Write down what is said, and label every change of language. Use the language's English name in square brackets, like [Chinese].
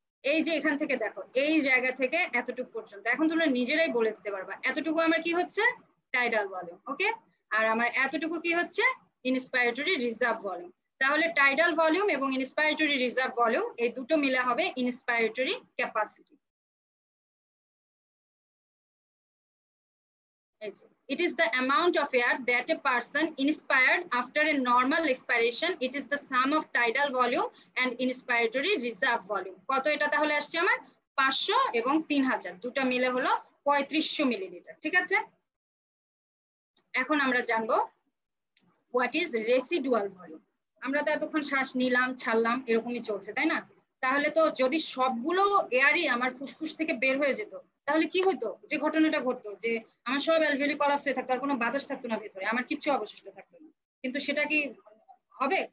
[Bangla] এই যে এখান থেকে দেখো, এই জায়গা থেকে এতটুকু পর্যন্ত, এখন তোমরা নিজেরাই বলে দিতে পারবা এতটুকু আমার কি হচ্ছে টাইডাল ভলিউম, ওকে। আর আমার এতটুকু কি হচ্ছে ইনস্পিরেটরি রিজার্ভ ভলিউম। তাহলে টাইডাল ভলিউম এবং ইনস্পিরেটরি রিজার্ভ ভলিউম এই দুটো মিলে হবে ইনস্পিরেটরি capacity. [English] It is the amount of air that a person inspired after a normal expiration. It is the sum of tidal volume and inspiratory reserve volume. [Bangla] কত এটা তাহলে আসছে আমার 500 এবং 3000 দুটো মিলে হলো 3500 মিলিলিটার। ঠিক আছে, এখন আমরা জানবো [English] what is residual volume। [Bangla] আমরা তো এতক্ষণ শ্বাস নিলাম ছাড়লাম এরকমই চলছে তাই না, তাহলে তো যদি সবগুলো এয়ারই আমার ফুসফুস থেকে বের হয়ে যেত তাহলে কি হতো, যে ঘটনাটা ঘটতো যে আমার সব অ্যালভিওলি কলাপস হয়ে থাকতো আর কোনো বাতাস থাকতো না ভেতরে, আমার কিচ্ছু অবশিষ্ট থাকতো না, কিন্তু সেটা কি হবে?